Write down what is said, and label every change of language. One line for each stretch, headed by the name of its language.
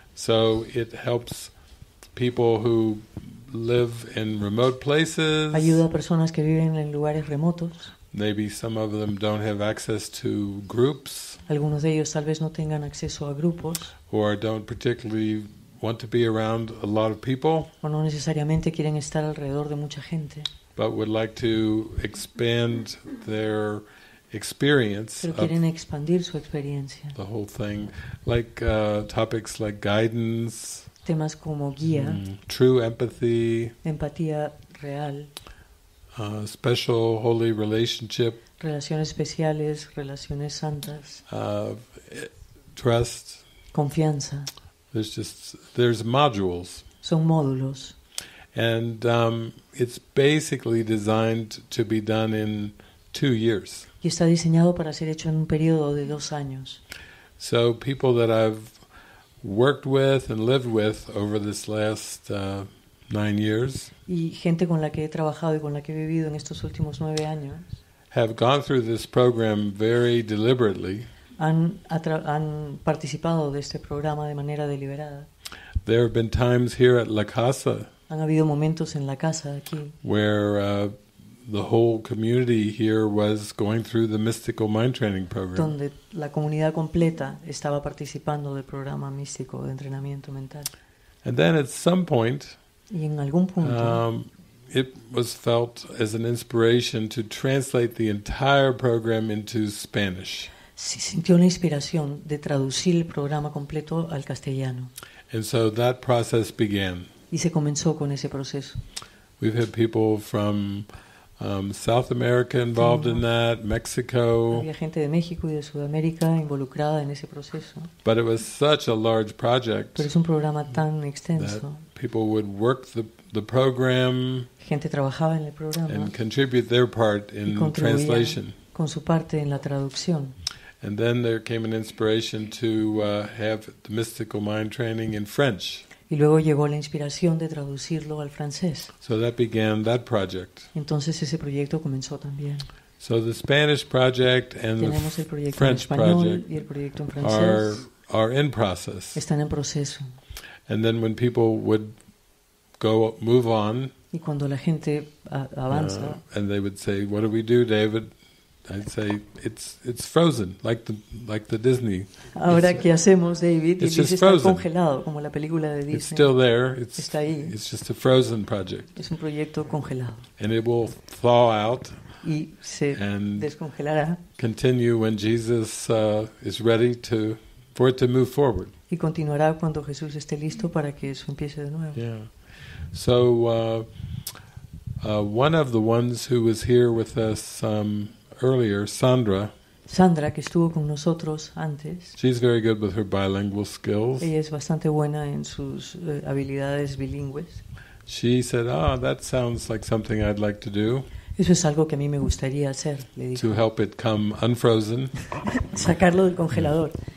English: So it helps people who live in remote places.
Spanish: Ayuda a personas que viven en lugares remotos.
English: Maybe some of them don't have access to groups.
Spanish: Algunos de ellos tal vez no tengan acceso a grupos.
English: Or don't particularly want to be around a lot of people.
Spanish: O no necesariamente quieren estar alrededor de mucha gente.
English: But would like to expand their experience.
Spanish: Pero quieren expandir su experiencia.
English: The whole thing, like topics like guidance.
Spanish: Temas como guía.
English: True empathy.
Spanish: Empatía real.
English: Special holy relationship.
Spanish: Relaciones especiales, relaciones santas.
English: Trust.
Spanish: Confianza.
English: There's modules.
Spanish: Son módulos.
English: And it's basically designed to be done in 2 years.
Spanish: Y está diseñado para ser hecho en un periodo de 2 años.
English: So people that I've worked with and lived with over this last 9 years.
Spanish: Y gente con la que he trabajado y con la que he vivido en estos últimos 9 años.
English: Have gone through this program very deliberately.
Spanish: Han participado de este programa de manera deliberada.
English: There have been times here at La Casa.
Spanish: Han habido momentos en la casa aquí.
English: Where the whole community here was going through the mystical mind training program.
Spanish: Donde la comunidad completa estaba participando del programa místico de entrenamiento mental.
English: And then at some point.
Spanish: Y en algún punto.
English: It was felt as an inspiration to translate the entire program into Spanish.
Spanish: Se sintió la inspiración de traducir el programa completo al castellano.
English: And so that process began.
Spanish: Y se comenzó con ese proceso.
English: We've had people from South America involved in that, Mexico.
Spanish: Había gente de México y de Sudamérica involucrada en ese proceso.
English: But it was such a large project.
Spanish: Pero es un programa tan extenso.
English: People would work the program.
Spanish: Gente trabajaba en el programa.
English: And contribute their part in translation.
Spanish: Con su parte en la traducción.
English: And then there came an inspiration to have the mystical mind training in French.
Spanish: Y luego llegó la inspiración de traducirlo al francés.
English: So that began that project.
Spanish: Entonces ese proyecto comenzó también.
English: So the Spanish project and
Spanish: tenemos
English: the
Spanish: el proyecto
English: French
Spanish: en español
English: project
Spanish: y el proyecto en francés
English: are in process.
Spanish: Están en proceso.
English: And then when people would go move on,
Spanish: y cuando la gente avanza,
English: and they would say, "What do we do, David?" I'd say, "It's frozen, like the Disney."
Spanish: Ahora, ¿qué hacemos, David?
English: It's just frozen.
Spanish: Congelado, como la película de Disney.
English: It's still there. It's,
Spanish: está ahí.
English: It's just a frozen project.
Spanish: Es un proyecto congelado.
English: And it will thaw out.
Spanish: Y se descongelará.
English: Continue when Jesus is ready to for it to move forward.
Spanish: Y continuará cuando Jesús esté listo para que eso empiece de nuevo. Yeah.
English: So one of the ones who was here with us earlier, Sandra,
Spanish: que estuvo con nosotros antes.
English: She's very good with her bilingual skills.
Spanish: Ella es bastante buena en sus habilidades bilingües.
English: She said, "Ah, that sounds like something I'd like to do."
Spanish: Eso es algo que a mí me gustaría hacer, le dije.
English: To help it come unfrozen.
Spanish: Sacarlo del congelador.